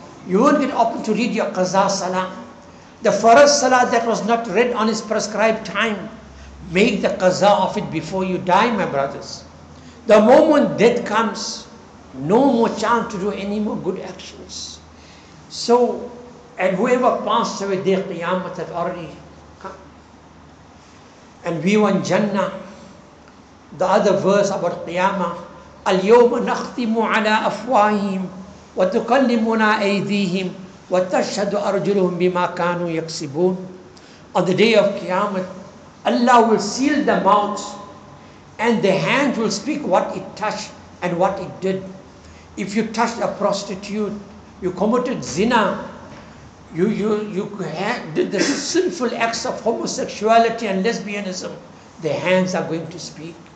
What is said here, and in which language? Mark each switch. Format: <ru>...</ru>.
<en>You won't get opportunity to read your Qaza Salah. The Faraz Salah that was not read on its prescribed time, make the Qaza of it before you die, my brothers. The moment death comes, no more chance to do any more good actions. So, and whoever passed away, their Qiyamah had already come. And we want Jannah. The other verse about Qiyamah,</en> <ar>اليوم نختم على أفواههم وتكلمنا أيديهم وتشهد أرجلهم بما كانوا يكسبون.</ar> <en>On the day of Qiyamah, Allah will seal the mouths and the hands will speak what it touched and what it did. If you touched a prostitute, you committed zina, you did the sinful acts of homosexuality and lesbianism, the hands are going to speak.</en>